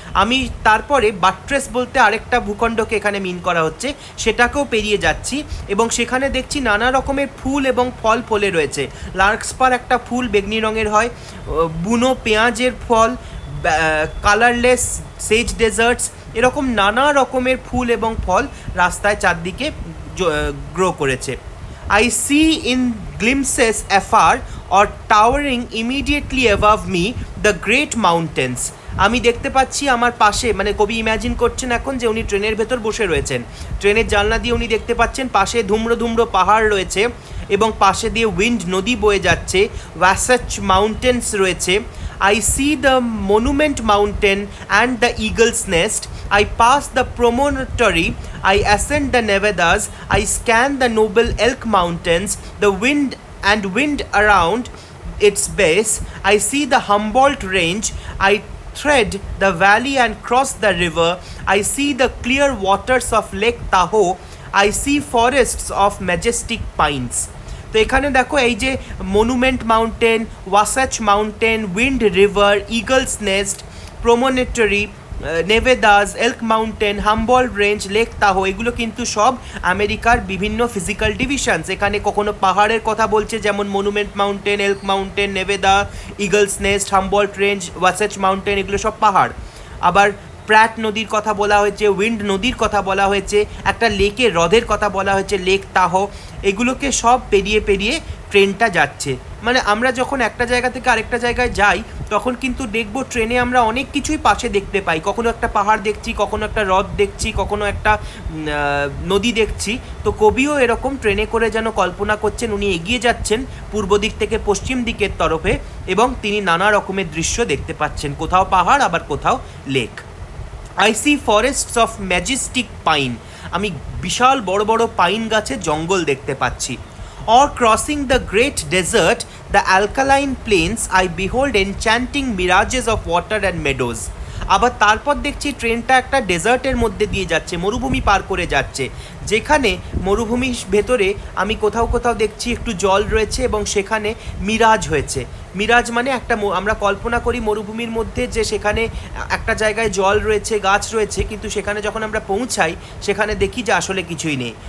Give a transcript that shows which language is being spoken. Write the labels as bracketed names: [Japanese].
[Bangla] আমি তারপরে বাট্রেস বলতে আরেকটা ভূখণ্ডকে এখানে মিন করা হচ্ছে, সেটাকেও পেরিয়ে যাচ্ছি এবং সেখানে দেখছি নানা রকমের ফুল এবং ফল ফলে রয়েছে। লার্কস্পার একটা ফুল, বেগনি রঙের হয়, বুনো পেঁয়াজের ফল, কালারলেস সেজ ডেজার্টস, এরকম নানা রকমের ফুল এবং ফল রাস্তায় চারদিকে গ্রো করেছে। [English] I see in glimpses afar or towering immediately above me the great mountains. [Bangla] আমি দেখতে পাচ্ছি আমার পাশে, মানে কবি ইমাজিন করছেন এখন যে উনি ট্রেনের ভেতর বসে রয়েছেন, ট্রেনের জানলা দিয়ে উনি দেখতে পাচ্ছেন পাশে ধুমড়ো ধুমড়ো পাহাড় রয়েছে এবং পাশে দিয়ে উইন্ড নদী বয়ে যাচ্ছে, ওয়াসাচ মাউন্টেন্স রয়েছে। [English] I see the monument mountain and the eagle's nest. I pass the promontory. I ascend the Nevadas. I scan the noble elk mountains. The wind and wind around its base. I see the Humboldt range. I thread the valley and cross the river. I see the clear waters of Lake Tahoe. I see forests of majestic pines. [Bangla] তো এখানে দেখো, এই যে monument mountain, ওয়াসাচ mountain, wind river, Eagles nest, প্রোমোনেটরি, নেভেদাস, elk mountain, Humboldt range, lake তাহো, এগুলো কিন্তু সব আমেরিকার বিভিন্ন ফিজিক্যাল ডিভিশনস। এখানে কখনো পাহাড়ের কথা বলছে, যেমন monument mountain, elk mountain, নেভেদা, Eagles nest, Humboldt range, ওয়াসাচ mountain, এগুলো সব পাহাড়। আবার প্র্যাট নদীর কথা বলা হয়েছে, উইন্ড নদীর কথা বলা হয়েছে, একটা লেকের হ্রদের কথা বলা হয়েছে, লেক তাহো, এগুলোকে সব পেরিয়ে পেরিয়ে ট্রেনটা যাচ্ছে। মানে আমরা যখন একটা জায়গা থেকে আরেকটা জায়গায় যাই, তখন কিন্তু দেখবো ট্রেনে আমরা অনেক কিছুই পাশে দেখতে পাই, কখনো একটা পাহাড় দেখছি, কখনো একটা হ্রদ দেখছি, কখনো একটা নদী দেখছি। তো কবিও এরকম ট্রেনে করে যেন কল্পনা করছেন, উনি এগিয়ে যাচ্ছেন পূর্ব দিক থেকে পশ্চিম দিকের তরফে এবং তিনি নানা রকমের দৃশ্য দেখতে পাচ্ছেন, কোথাও পাহাড় আবার কোথাও lake. [English] I see forests of majestic pine. [Bangla] আমি বিশাল বড় বড় পাইন গাছে জঙ্গল দেখতে পাচ্ছি। [English] Or crossing the great desert, the alkaline plains, I behold enchanting mirages of water and meadows. [Bangla] আবার তারপর দেখছি ট্রেনটা একটা ডেজার্টের মধ্যে দিয়ে যাচ্ছে, মরুভূমি পার করে যাচ্ছে, যেখানে মরুভূমির ভেতরে আমি কোথাও কোথাও দেখছি একটু জল রয়েছে এবং সেখানে মিরাজ হয়েছে। মিরাজ মানে একটা, আমরা কল্পনা করি মরুভূমির মধ্যে যে সেখানে একটা জায়গায় জল রয়েছে, গাছ রয়েছে, কিন্তু সেখানে যখন আমরা পৌঁছাই সেখানে দেখি যে আসলে কিছুই নেই।